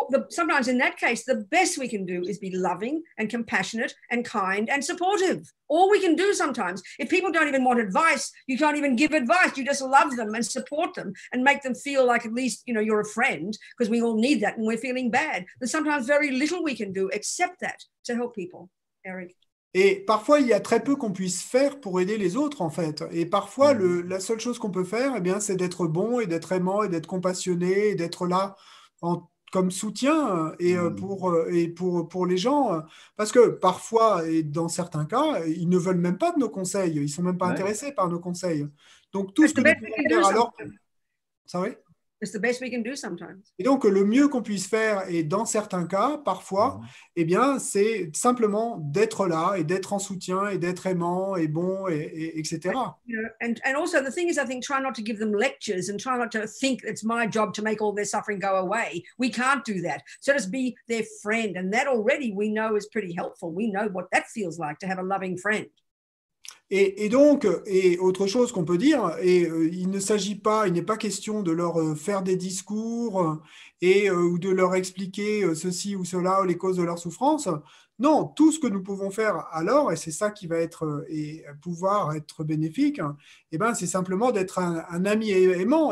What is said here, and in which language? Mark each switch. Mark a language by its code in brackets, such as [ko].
[en] Sometimes in that case, the best we can do is be loving and compassionate and kind and supportive. All we can do sometimes, if people don't even want advice, you can't even give advice. You just love them and support them and make them feel like at least, you know, you're a friend, because we all need that and we're feeling bad. There's sometimes very little we can do except that to help people. Eric. [fr] Et parfois, il y a très peu qu'on puisse faire pour aider les autres, en fait. Et parfois, la seule chose qu'on peut faire, eh bien, c'est d'être bon et d'être aimant et d'être compassionné et d'être là comme soutien pour les gens. Parce que parfois, et dans certains cas, ils ne veulent même pas de nos conseils. Ils ne sont même pas intéressés par nos conseils. Donc, tout ce que nous pouvons faire, alors... Ça va ? [en] It's the best we can do sometimes. [fr] Et donc, le mieux qu'on puisse faire, et dans certains cas, parfois, eh bien, c'est simplement d'être là et d'être en soutien et d'être aimant et bon, etc. [en] And also, the thing is, I think, try not to give them lectures and try not to think it's my job to make all their suffering go away. We can't do that. So just be their friend. And that already we know is pretty helpful. We know what that feels like to have a loving friend. [fr] Et donc, autre chose qu'on peut dire, il n'est pas question de leur faire des discours ou de leur expliquer ceci ou cela ou les causes de leur souffrance. Non, tout ce que nous pouvons faire alors, et c'est ça qui va être et pouvoir être bénéfique, eh ben, c'est simplement d'être un ami aimant.